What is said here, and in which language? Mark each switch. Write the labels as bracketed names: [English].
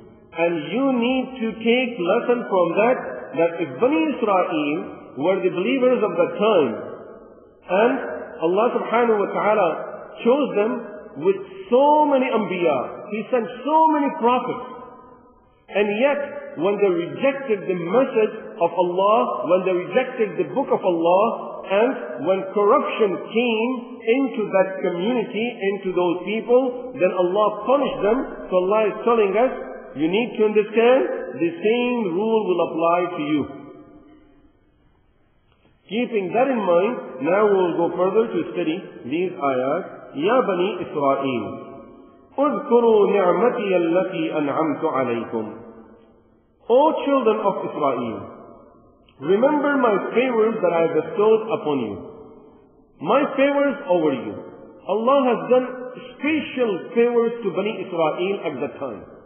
[English] And you need to take lesson from that, that if Bani Israel were the believers of that time, and Allah subhanahu wa ta'ala chose them with so many anbiya, He sent so many prophets, and yet when they rejected the message of Allah, when they rejected the book of Allah, and when corruption came into that community, into those people, then Allah punished them. So Allah is telling us, you need to understand, the same rule will apply to you. Keeping that in mind, now we will go further to study these ayahs. [Arabic] Ya Bani Israel, اذكروا نعمتي التي أنعمت عليكم. [English] O children of Israel, remember my favors that I have bestowed upon you. My favors over you. Allah has done special favors to Bani Israel at that time.